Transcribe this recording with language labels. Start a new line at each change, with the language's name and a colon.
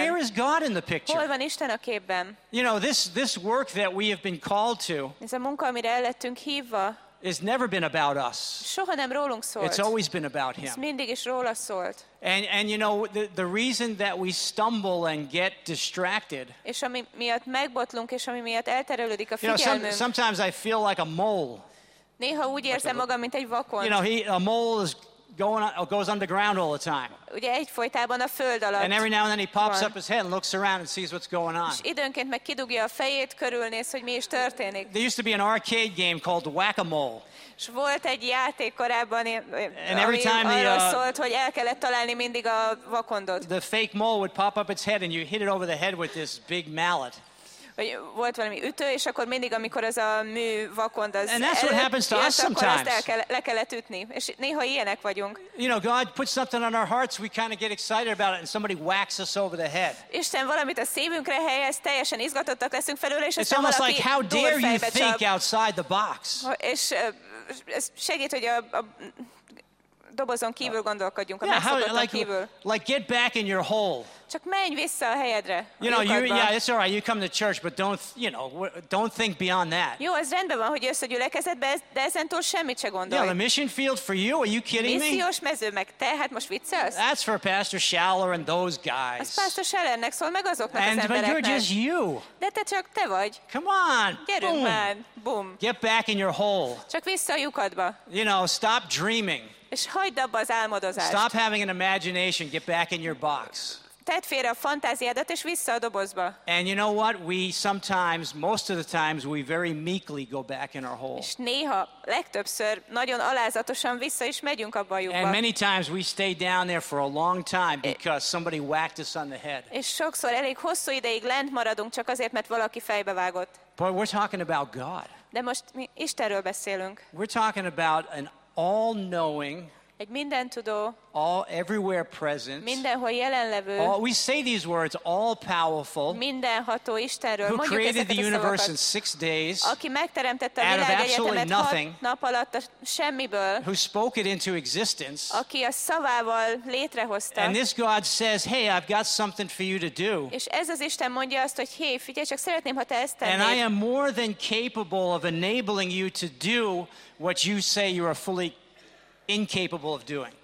English: Where is God in the picture?
Hungarian: Hol van Isten a képben?
English: You know, this work that we have been called to,
Hungarian: ez a munka, amire el lettünk hívva,
English: it's never been about us.
Hungarian: Soha nem rólunk szólt.
English: It's always been about him.
Hungarian: Ez mindig is róla szólt.
English: And you know, the reason that we stumble and get distracted,
Hungarian: és ami miatt megbotlunk, és ami miatt elterelődik a figyelmünk.
English: Sometimes I feel like a mole.
Hungarian: Néha úgy érzem magam, mint egy vakond.
English: You know, a mole is goes underground all the time.
Hungarian: Ugye egyfolytában a föld alatt.
English: And every now and then he pops up his head and looks around and sees what's going on.
Hungarian: És időnként meg kidugja a fejét, körülnéz, hogy mi is történik.
English: There used to be an arcade game called Whack-a-Mole.
Hungarian: És volt egy játék korábban, ami arról szólt, hogy el kellett találni mindig a vakondot.
English: The fake mole would pop up its head and you hit it over the head with this big mallet.
Hungarian: Vagy volt valami ütő, és akkor mindig, amikor ez a mű vakond az előtt jött, akkor ezt le kellett ütni. És néha ilyenek vagyunk.
English: You know, God puts something on our hearts, we kind of get excited about it, and somebody whacks us over the head.
Hungarian: Isten valamit a szívünkre helyez, teljesen izgatottak leszünk felőle, és aztán valaki durfejbe csap.
English: Like, how dare you think outside the box?
Hungarian: És ez segít, hogy a dobozon kívül gondolkodjunk, a megszokottan kívül.
English: Like, get back in your hole.
Hungarian: Csak menj vissza a helyedre.
English: You know, it's all right. You come to church, but don't think beyond that.
Hungarian: Jó, ez rendben van, hogy összegyűlökezetbe, de ezen túl semmit se gondolj.
English: Yeah, the mission field for you? Are you kidding me?
Hungarian: Missziós mező meg te, hát most viccelsz?
English: That's for Pastor Schaller and those guys.
Hungarian: Az Pastor Schallernek szól, meg azoknak az embereknek.
English: But you're just you.
Hungarian: De te csak te vagy.
English: Come on.
Hungarian: Gyerünk már. Boom.
English: Get back in your hole.
Hungarian: Csak vissza a lyukadba.
English: You know, stop dreaming.
Hungarian: És hagyd abba az álmodozást.
English: Stop having an imagination. Get back in your box.
Hungarian: Tedd félre a fantáziádat, és vissza a dobozba.
English: And you know what? We sometimes, most of the times, we very meekly go back in our hole.
Hungarian: És néha, legtöbbször, nagyon alázatosan vissza is megyünk abba a lyukba.
English: And many times we stay down there for a long time because somebody whacked us on the head.
Hungarian: És sokszor elég hosszú ideig lent maradunk csak azért, mert valaki fejbe vágott.
English: But we're talking about God.
Hungarian: De most mi Istenről beszélünk.
English: We're talking about an all-knowing,
Hungarian: egy mindentudó,
English: all everywhere present,
Hungarian: mindenhol jelenlevő,
English: all, we say these words, all powerful,
Hungarian: mindenható Istenről,
English: who created the universe in 6 days,
Hungarian: aki megteremtette a világ egyetemet 6 nap alatt a semmiből,
English: who spoke it into existence,
Hungarian: aki a szavával létrehozta,
English: and this God says, hey, I've got something for you to do,
Hungarian: és ez az Isten mondja azt, hogy hé, figyelj csak, szeretném, ha te ezt tennéd,
English: and I am more than capable of enabling you to do what you say you are fully incapable of doing.